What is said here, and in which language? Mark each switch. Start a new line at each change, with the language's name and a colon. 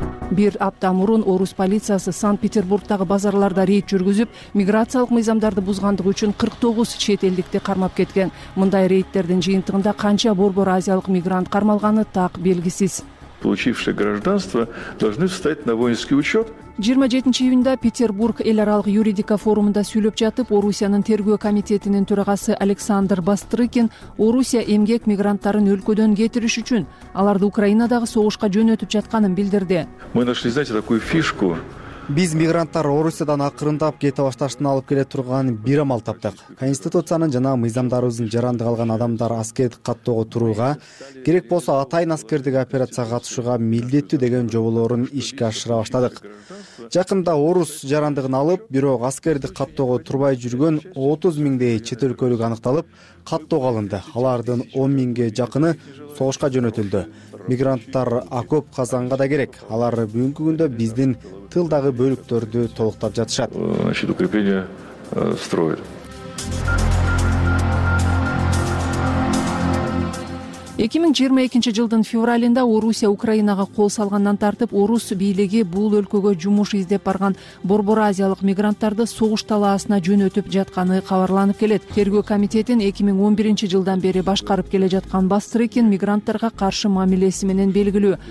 Kyrgyz: Бир апта мурун Орус полициясы Санкт-Петербургдагы базарларда рейд жүргүзүп, миграциялык мыйзамдарды бузгандыгы үчүн 49 чет элдикти кармап кеткен. Мындай рейдтердин жыйынтыгында канча борбор азиялык мигрант кармалганы так белгисиз.
Russian: Получившие гражданство должны встать на воинский учет.
Kyrgyz: 27 июнда Петербург эл аралык юридика форумунда сүйлөп жатып, Орусиянын тергөө комитетинин төрагасы Александр Бастрыкин Орусия эмгек мигранттарын өлкөдөн кетириш үчүн аларды Украинадагы согушка жөнөтүп жатканын билдирди.
Russian: Мы нашли, знаете, такую фишку.
Kyrgyz: Биз мигранттар Орусиядан акырындап кете башташтын алып келе турган бир амал таптык. Конституциянын жана мыйзамдарыбыздын жарандык алган адамдар аскердик каттоого турууга, керек болсо атайын аскердик операцияга катышууга милдеттүү деген жоболорун ишке ашыра баштадык. Жакында орус жарандыгын алып, бирок аскердик каттоого турбай жүргөн 30 000 чет өлкөлүк аныкталып, каттоого алынды. Алардын 10 000 жакыны согушка жөнөтүлдү. Мигранттар окоп казанга да керек. Алар бүгүнкү күндө биздин тылдагы бөлүктөрдү толуктап жатышат.
Russian: Значит, укрепление строят.
Kyrgyz: 2022 жылдын февралында Орусия Украинага кол салгандан тартып, орус бийлиги бул өлкөгө жумуш издеп барган борбор азиялык мигранттарды согуш талаасына жөнөтүп жатканы кабарланып келет. Тергөө комитетин 2011 жылдан бери башкарып келе жаткан Бастрыкин мигранттарга каршы мамилеси менен белгилүү.